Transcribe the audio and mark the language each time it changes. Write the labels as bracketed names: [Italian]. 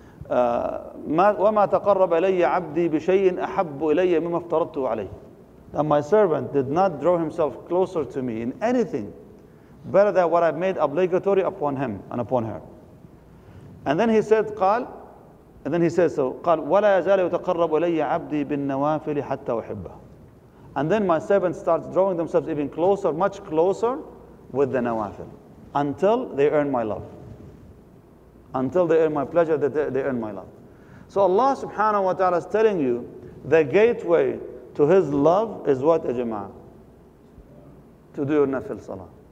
[Arabic] وما تقرب إلي عبدي بشيء أحب إلي مما افترضته عليه. [English] That my servant did not draw himself closer to me in anything better than what I've made obligatory upon him and upon her. And then he said, [Arabic] قال ولا يزال يتقرب إلي عبدي بالنوافل حتى أحبه. [English] And then my servant starts drawing themselves even closer, much closer, with the nawafil, until they earn my love. Until they earn my pleasure, that they earn my love. So Allah subhanahu wa ta'ala is telling you, the gateway to His love is what, a jama'ah? To do your nafil salah.